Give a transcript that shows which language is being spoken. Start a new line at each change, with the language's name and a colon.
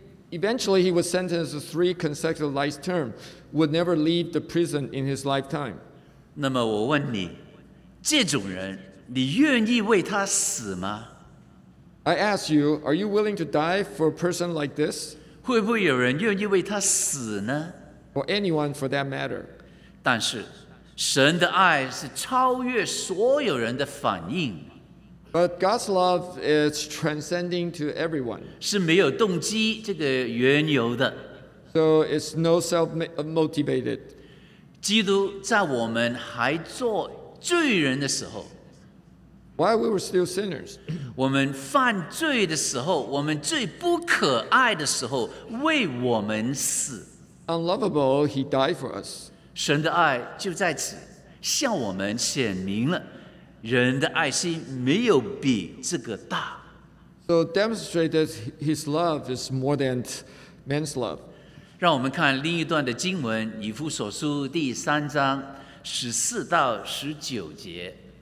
English: Eventually, he was sentenced to 3 consecutive life terms, would never leave the prison in his lifetime.
Chinese: 那么我问你，这种人，你愿意为他死吗？
English: I ask you, are you willing to die for a person like this?
Chinese: 会不会有人愿意为他死呢？
English: Or anyone for that matter.
Chinese: 但是，神的爱是超越所有人的反应。
English: But God's love is transcending to everyone.
Chinese: 是没有动机这个缘由的。
English: So it's no self-motivated.
Chinese: 基督在我们还做罪人的时候
English: While we were still sinners.
Chinese: 我们犯罪的时候我们最不可爱的时候为我们死。
English: Unlovable, he died for us.
Chinese: 神的爱就在此向我们显明了人的爱心没有比这个大。
English: So demonstrated his love is more than man's love.
Chinese: 让我们看另一段的经文，以弗所书第三章十四到十九节。